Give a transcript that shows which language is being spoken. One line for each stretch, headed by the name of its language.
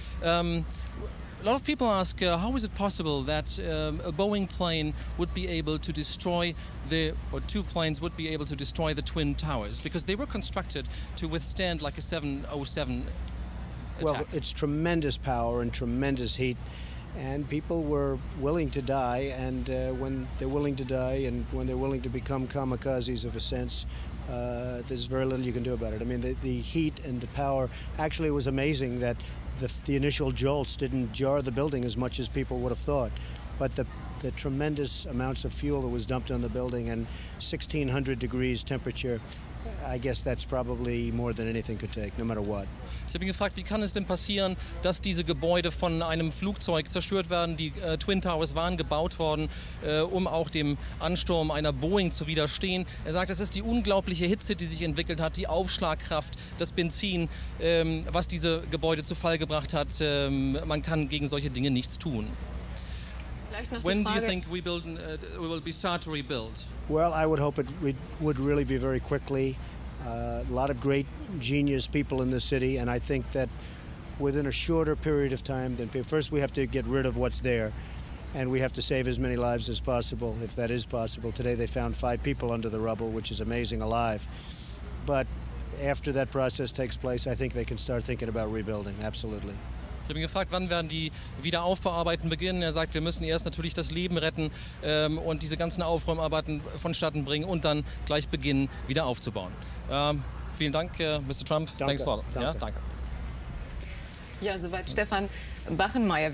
English: A lot of people ask, how is it possible that a Boeing plane would be able to destroy the, or two planes would be able to destroy the Twin Towers? Because they were constructed to withstand like a 707 attack. Well, it's tremendous power and tremendous heat, and people were willing to die, and when they're willing to die and when they're willing to become kamikazes of a sense, there's very little you can do about it. I mean, the heat and the power, actually it was amazing that the initial jolts didn't jar the building as much as people would have thought, but the tremendous amounts of fuel that was dumped on the building and 1600 degrees temperature, I guess that's probably more than anything could take, no matter what.
German: Ich habe ihn gefragt, wie kann es denn passieren, dass diese Gebäude von einem Flugzeug zerstört werden? Die Twin Towers waren gebaut worden, um auch dem Ansturm einer Boeing zu widerstehen. Er sagt, es ist die unglaubliche Hitze, die sich entwickelt hat, die Aufschlagkraft, das Benzin, was diese Gebäude zu Fall gebracht hat. Man kann gegen solche Dinge nichts tun.
English: When do you think we will start to rebuild? Well, I would hope it would really be very quickly. a lot of great genius people in the city, and I think that within a shorter period of time, then first we have to get rid of what's there, and we have to save as many lives as possible, if that is possible. Today they found 5 people under the rubble, which is amazing, alive. But after that process takes place, I think they can start thinking about rebuilding, absolutely.
German: Ich habe ihn gefragt, wann werden die Wiederaufbauarbeiten beginnen? Er sagt, wir müssen erst natürlich das Leben retten und diese ganzen Aufräumarbeiten vonstatten bringen und dann gleich beginnen, wieder aufzubauen. Vielen Dank, Mr. Trump. Danke.
English: Thanks a lot.
German: Danke. Ja, danke. Ja, soweit Stefan Bachenmeier.